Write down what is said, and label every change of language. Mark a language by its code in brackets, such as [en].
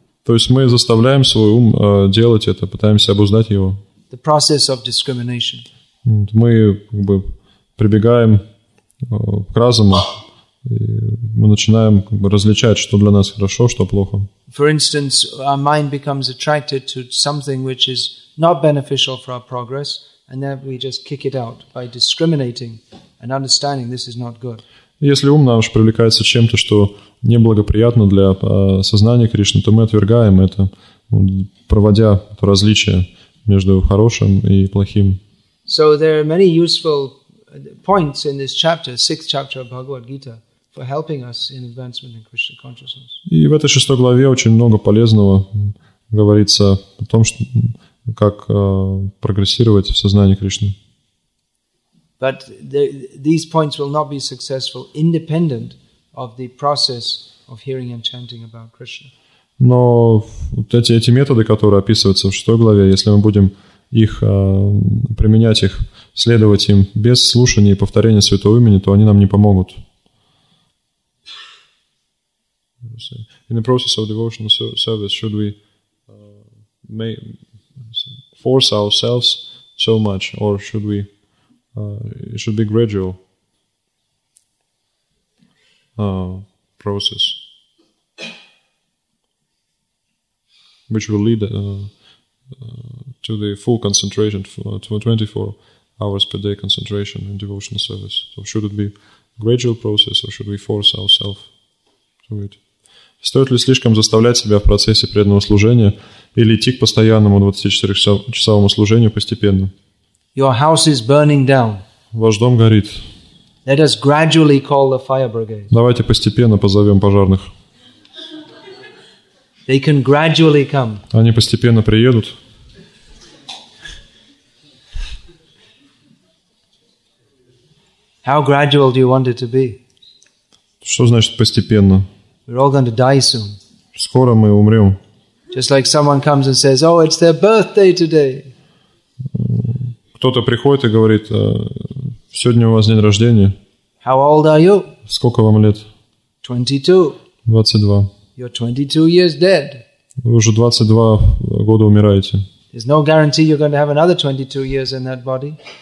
[ru] То есть мы заставляем свой ум делать это, пытаемся обуздать его. [en] The process of discrimination. [ru] Мы как бы прибегаем к разуму, и мы начинаем как бы различать, что для нас хорошо, что плохо. [en] For instance, our mind becomes attracted to something which is not beneficial for our progress, and then we just kick it out by discriminating and understanding this is not good. [ru] Если ум наш привлекается чем-то, что неблагоприятно для сознания Кришны, то мы отвергаем это, проводя это различие между хорошим и плохим. [en] So there are many useful points in this chapter, sixth chapter of Bhagavad Gita, for helping us in advancement in Krishna consciousness. [ru] И в этой шестой главе очень много полезного говорится о том, что как прогрессировать в сознании Кришны. [en] But these points will not be successful independent of the process of hearing and chanting about Krishna. [ru] Но вот эти методы, которые описываются в шестой главе, если мы будем их применять, их следовать им без слушания и повторения святого имени, то они нам не помогут. [en] In the process of devotional service, should we force ourselves so much, or should we? It should be gradual process, which will lead to the full concentration, to 24 hours per day concentration in devotional service. So, should it be gradual process, or should we force ourselves to it? [ru] Стоит ли слишком заставлять себя в процессе преданного служения или идти к постоянному 24-часовому служению постепенно? [en] Your house is burning down. [ru] Ваш дом горит. [en] Let us gradually call the fire brigade. [ru] Давайте постепенно позовем пожарных. [en] They can gradually come. [ru] Они постепенно приедут. [en] How gradual do you want it to be? [ru] Что значит постепенно? [en] We're all going to die soon. [ru] Скоро мы умрем. [en] Just like someone comes and says, "Oh, it's their birthday today." [ru] Кто-то приходит и говорит: "Сегодня у вас день рождения." [en] How old are you? [ru] Сколько вам лет? [en] 22. [ru] 22. [en] You're 22 years dead. [ru] Вы уже 22 года умираете. [en] There's no guarantee you're going to have another 22 years in that body.